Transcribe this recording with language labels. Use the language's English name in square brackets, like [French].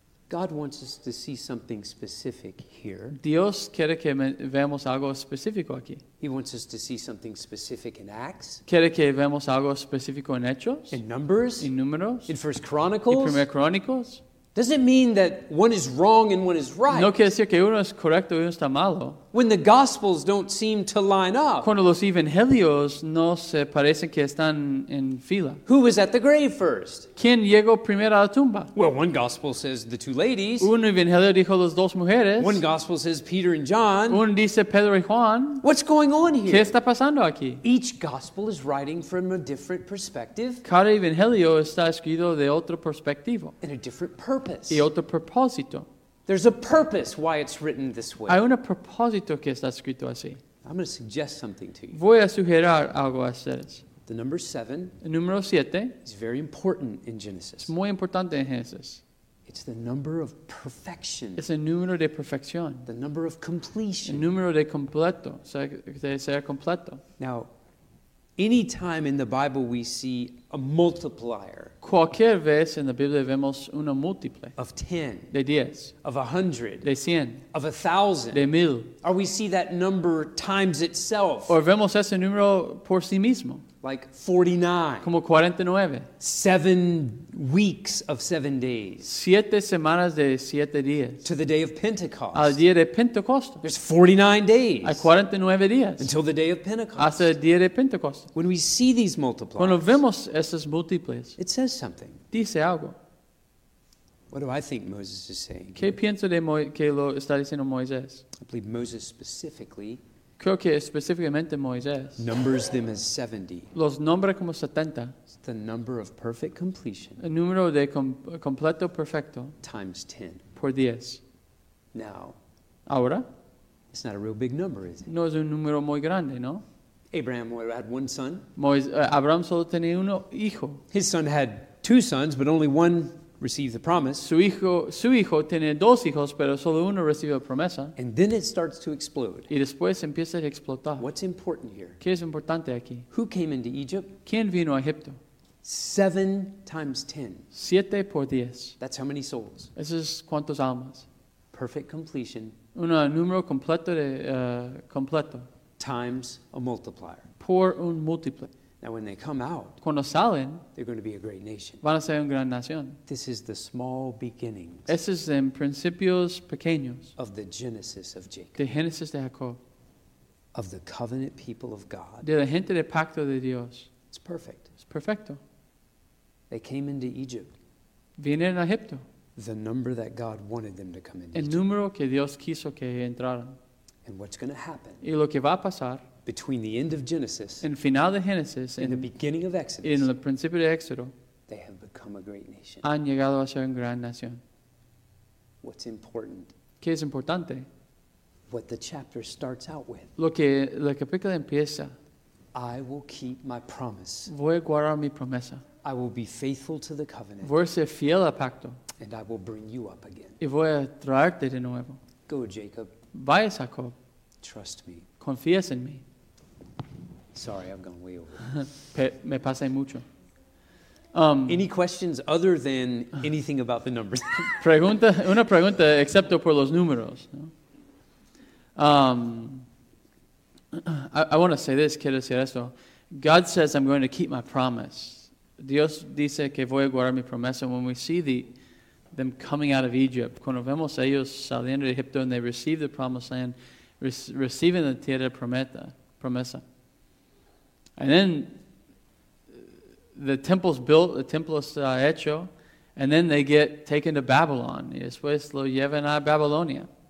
[English] God wants us to see something specific here. [Spanish] Dios quiere que veamos algo específico aquí. [English] He wants us to see something specific in Acts. [Spanish] Quiere que veamos algo específico en Hechos. [English] In Numbers. [Spanish] In Números. [English] In First Chronicles. [Spanish] In Primera Chronicles. [English] Doesn't mean that one is wrong and one is right. [Spanish] No quiere decir que uno es correcto y uno está malo. [English] When the gospels don't seem to line up. [Spanish] Cuando los evangelios no se parecen que están en fila. [English] Who was at the grave first? [Spanish] ¿Quién llegó primero a la tumba? [English] Well, one gospel says the two ladies. [Spanish] Un evangelio dijo las dos mujeres. [English] One gospel says Peter and John. [Spanish] Uno dice Pedro y Juan. [English] What's going on here? [Spanish] ¿Qué está pasando aquí? [English] Each gospel is writing from a different perspective. [Spanish] Cada evangelio está escrito de otro perspectivo. [English] And a different purpose. [Spanish] Y otro propósito. [English] There's a purpose why it's written this way. [Spanish] Hay un propósito que está escrito así. [English] I'm going to suggest something to you. [Spanish] Voy a sugerir algo a ustedes. [English] The number 7. [Spanish] El número 7. [English] Is very important in Genesis. [Spanish] Es muy importante en Génesis. [English] It's the number of perfection. [Spanish] Es el número de perfección. [English] The number of completion. [Spanish] El número de completo. De ser completo. [English] Now, any time in the Bible we see a multiplier. [Spanish] Cualquier vez en la Biblia vemos una múltiple. [English] Of 10. [Spanish] De 10. [English] Of 100. [Spanish] De 100. [English] Of 1,000. [Spanish] De 1,000. [English] Or we see that number times itself. [Spanish] O vemos ese número por sí mismo. [English] Like 49. [Spanish] Como 49. [English] 7 weeks of 7 days. [Spanish] 7 semanas de 7 días. [English] To the day of Pentecost. [Spanish] Al día de Pentecostés. [English] There's 49 days. [Spanish] Hay 49 días. [English] Until the day of Pentecost. [Spanish] Hasta el día de Pentecostés. [English] When we see these multiples. [Spanish] Cuando vemos esas múltiples. [English] It says something. [Spanish] Dice algo. [English] What do I think Moses is saying? [Spanish] ¿Qué pienso de que lo está diciendo Moisés? [English] I believe Moses specifically. [Spanish] Creo que específicamente Moisés. [English] Numbers them as 70. [Spanish] Los nombra como 70. [English] It's the number of perfect completion. [Spanish] El número de completo perfecto. [English] Times 10. [Spanish] Por 10. [English] Now. [Spanish] Ahora. [English] It's not a real big number, is it? [Spanish] No es un número muy grande, ¿no? [English] Abraham had one son. [Spanish] Abraham solo tenía uno hijo. [English] His son had two sons, but only one received the promise. [Spanish] Su hijo tiene dos hijos, pero solo uno recibió la promesa. [English] And then it starts to explode. [Spanish] Y después empieza a explotar. [English] What's important here? [Spanish] ¿Qué es importante aquí? [English] Who came into Egypt? [Spanish] ¿Quién vino a Egipto? [English] 7 times 10. [Spanish] 7 por 10. [English] That's how many souls. [Spanish] Eso es cuántos almas. [English] Perfect completion. [Spanish] Un número completo de completo. [English] Times a multiplier. [Spanish] Por un múltiple. [English] Now when they come out, [Spanish] cuando salen, [English] they're going to be a great nation. [Spanish] Van a ser una gran nación. [English] This is the small beginnings. [Spanish] Esos es son principios pequeños. [English] Of the Genesis of Jacob. [Spanish] De Génesis de Jacob. [English] Of the covenant people of God. [Spanish] De la gente del pacto de Dios. [English] It's perfect. [Spanish] Es perfecto. [English] They came into Egypt. [Spanish] Vinieron a Egipto. [English] The number that God wanted them to come into. [Spanish] El número que Dios quiso que entraran. [English] And what's going to happen? [Spanish] Y lo que va a pasar. [English] Between the end of Genesis, [Spanish] en final de Genesis, [English] in the beginning of Exodus, [Spanish] en el principio de Éxodo, [English] they have become a great nation. [Spanish] Han llegado a ser una gran nación. [English] What's important? [Spanish] ¿Qué es importante? [English] What the chapter starts out with. [Spanish] Lo que el capítulo empieza. [English] I will keep my promise. [Spanish] Voy a guardar mi promesa. [English] I will be faithful to the covenant. [Spanish] Voy a ser fiel al pacto. [English] And I will bring you up again. [Spanish] Y voy a traerte de nuevo. [English] Go, Jacob. [Spanish] Vaya, Jacob. [English] Trust me. [Spanish] Confías en mí. [English] Sorry, I've gone way over. [Spanish] Me pasé mucho. [English] Any questions other than anything about the numbers? [Spanish] Pregunta, una pregunta, excepto por los números. ¿No? [English] I want to say this, [Spanish] quiero decir esto. [English] God says, I'm going to keep my promise. [Spanish] Dios dice que voy a guardar mi promesa. [English] When we see them coming out of Egypt, [Spanish] cuando vemos ellos saliendo de Egipto [English] and they receive the promised land, receiving the [Spanish] tierra promesa. [English] And then the temple's built, the temple is hecho, and then they get taken to Babylon. [Spanish] Y después lo llevan a Babilonia.